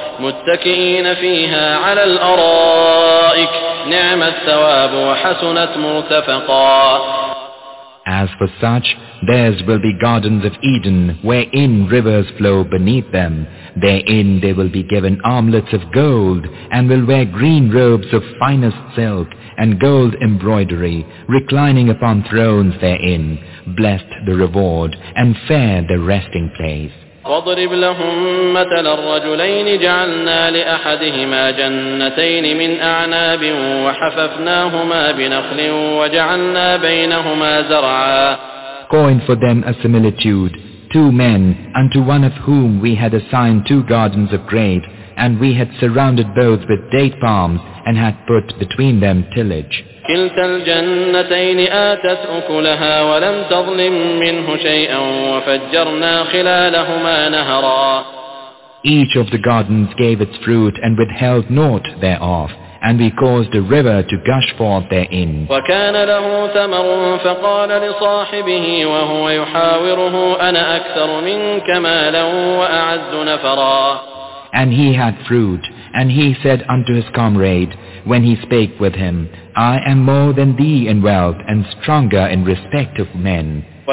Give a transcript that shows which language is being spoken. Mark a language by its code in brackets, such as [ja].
[ar] متكئين فيها على الأرائك نعم الثواب وحسنت مرتفقا. [en] As for such, theirs will be gardens of Eden, wherein rivers flow beneath them. Therein they will be given armlets of gold, and will wear green robes of finest silk and gold embroidery, reclining upon thrones therein. Blessed the reward, and fair the resting place. [ar] وَاضْرِبْ لَهُمْ مَثَلَ الرَّجُلَيْنِ جَعَلْنَا لِأَحَدِهِمَا جَنَّتَيْنِ مِنْ أَعْنَابٍ وَحَفَفْنَاهُمَا بِنَخْلٍ وَجَعَلْنَا بَيْنَهُمَا زَرْعًا. [en] Coin for them a similitude, two men, unto one of whom we had assigned two gardens of grape, and we had surrounded both with date palms, and had put between them tillage. [ar] كلتا الجنتين آتت أكلها ولم تظلم منه شيئا وفجرنا خلالهما نهرا. [en] Each of the gardens gave its fruit and withheld naught thereof, and we caused a river to gush forth therein. [ar] وكان له ثمر فقال لصاحبه وهو يحاوره أنا أكثر منك مالا وأعز نفرا. [en] And he had fruit, and he said unto his comrade, when he spake with him, I am more than thee in wealth and stronger in respect of men.